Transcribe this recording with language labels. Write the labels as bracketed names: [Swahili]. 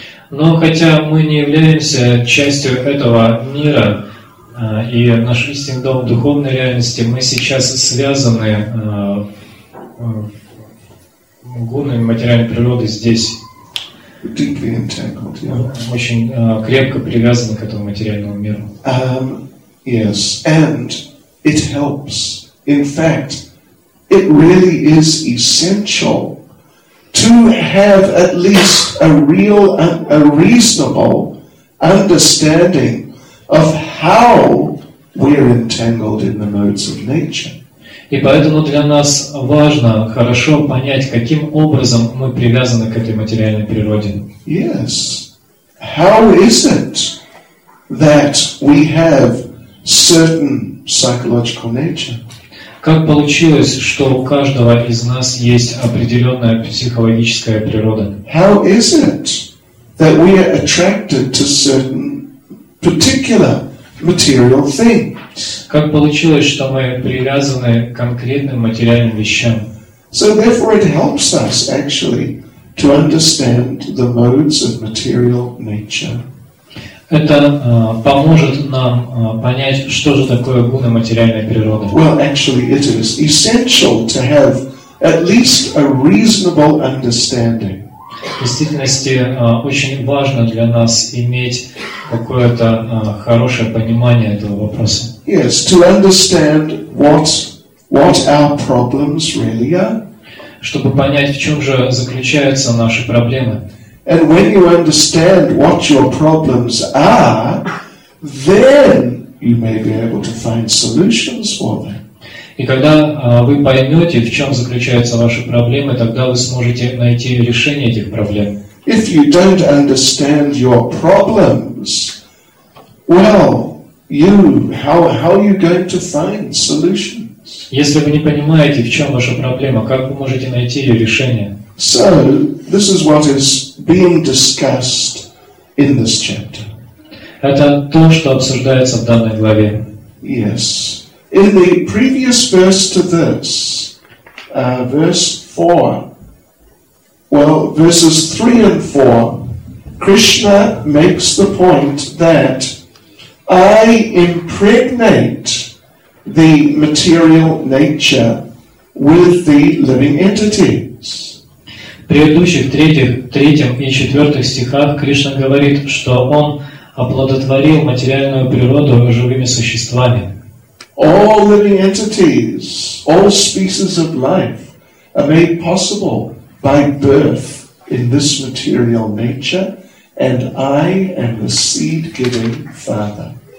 [Russian] Но хотя мы не являемся частью этого мира, и наш истинный дом духовной реальности, мы сейчас связаны гунами материальной природы здесь. [English] Deeply entangled, yeah. [Russian] Очень крепко привязаны к этому материальному миру. [English] Yes, and it helps. In fact, it really is essential to have at least a reasonable understanding of how we're entangled in the modes of nature. [Russian] И поэтому для нас важно хорошо понять, каким образом мы привязаны к этой материальной природе. [English] Yes. How is it that we have certain psychological nature? [Russian] Как получилось, что у каждого из нас есть определенная психологическая природа? [English] How is it that we are attracted to certain particular material things? [Russian] Как получилось, что мы привязаны к конкретным материальным вещам? [English] So therefore it helps us actually to understand the modes of material nature. [Russian] Это поможет нам понять, что же такое гуна материальной природы. [English] Well, actually, it is essential to have at least a reasonable understanding. [Russian] В действительности, очень важно для нас иметь какое-то хорошее понимание этого вопроса. [English] Yes, to understand what our problems really are. [Russian] Чтобы понять, в чем же заключаются наши проблемы. [English] And when you understand what your problems are, then you may be able to find solutions for them. [Russian] И когда вы поймете, в чем заключаются ваши проблемы, тогда вы сможете найти решение этих проблем. [English] If you don't understand your problems, well, how are you going to find solutions? [Russian] Если вы не понимаете, в чем ваша проблема, как вы можете найти ее решение? [English] So, this is what is being discussed in this chapter. [Russian] Это то, что обсуждается в данной главе. [English] Yes. In the previous verse to this, verse 4, well, verses 3 and 4, Krishna makes the point that I impregnate the material nature with the living entities. [Russian] В предыдущих третьем и четвертых стихах Кришна говорит, что Он оплодотворил материальную природу живыми существами. [English] All living entities, all species of life are made possible by birth in this material nature, and I am the seed-giving father.